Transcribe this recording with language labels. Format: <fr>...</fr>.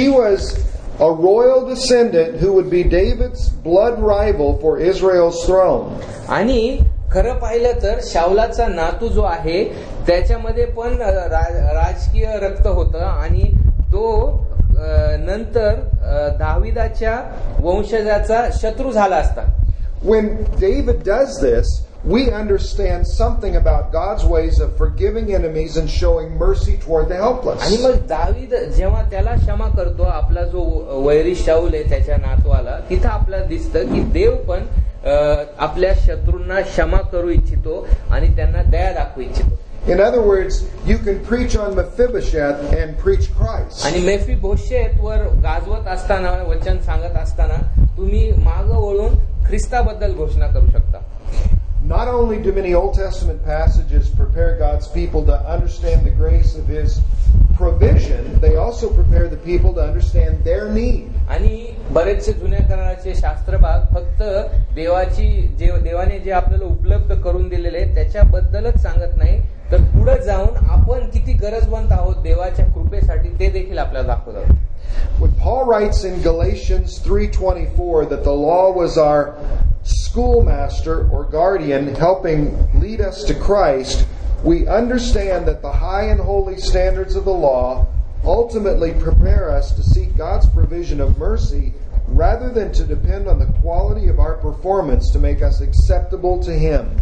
<en>He was a royal descendant who would be David's blood rival for Israel's throne.</en> <mr>आणि खरं पाहिलं तर शाऊलाचा नातू जो आहे त्याच्यामध्ये पण राजकीय रक्त होतं आणि तो नंतर दाविदाच्या वंशजाचा शत्रू झाला असता.</mr> <en>When David does this, we understand something about God's ways of forgiving enemies and showing mercy toward the helpless.</en> <mr>आणि मग दाविद जेव्हा त्याला क्षमा करतो आपला जो वैरी शाऊल आहे त्याच्या नातवाला तिथं आपल्याला दिसतं की देव पण आपल्या शत्रूंना क्षमा करू इच्छितो आणि त्यांना दया दाखवू इच्छितो.</mr> <en>In other words, you can preach on Mephibosheth and preach Christ.</en> <mr>आणि मेफिबोशेथ वर गाजवत असताना वचन सांगत असताना तुम्ही मागे वळून ख्रिस्ताबद्दल घोषणा करू शकता.</mr> <en>Not only do many Old Testament passages prepare God's people to understand the grace of his provision, they also prepare the people to understand their need.</en> <mr>आणि बरेचसे जुन्या कराराचे शास्त्र भाग फक्त देवाची जे देवाने जे आपल्याला उपलब्ध करून दिलेले त्याच्याबद्दलच सांगत नाही तर पुढे जाऊन आपण किती गरजवंत आहोत देवाच्या कृपेसाठी ते देखील आपल्याला दाखवतात.</mr> <en>When Paul writes in Galatians 3:24 that the law was our schoolmaster or guardian helping lead us to Christ, we understand that the high and holy standards of the law ultimately prepare us to seek God's provision of mercy rather than to depend on the quality of our performance to make us acceptable to him.</en>